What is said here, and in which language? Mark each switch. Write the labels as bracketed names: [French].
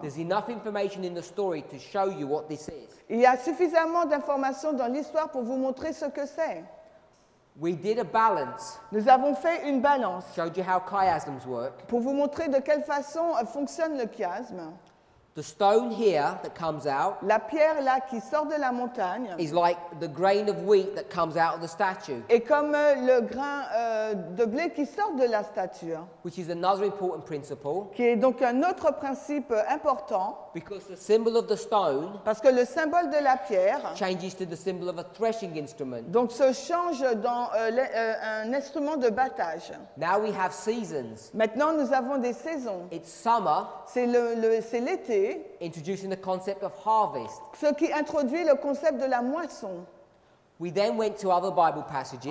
[English] There's enough information in the story to show you what this is. [French] Il y a suffisamment d'informations dans l'histoire pour vous montrer ce que c'est. [English] We did a balance. [French] Nous avons fait une balance. [English] Showed you how chiasms work. [French] Pour vous montrer de quelle façon fonctionne le chiasme. [English] The stone here that comes out. [French] La pierre là qui sort de la montagne. [English] Is like the grain of wheat that comes out of the statue. [French] Et comme le grain de blé qui sort de la statue. [English] Which is another important principle. [French] Qui est donc un autre principe important. [English] Because the symbol of the stone. [French] Parce que le symbole de la pierre. [English] Changes to the symbol of a threshing instrument. [French] Donc se change dans un instrument de battage. [English] Now we have seasons. [French] Maintenant nous avons des saisons. [English] It's summer. [French] C'est l'été. [English] Introducing the concept of harvest. [French] Ce qui introduit le concept de la moisson. [English] We then went to other Bible passages.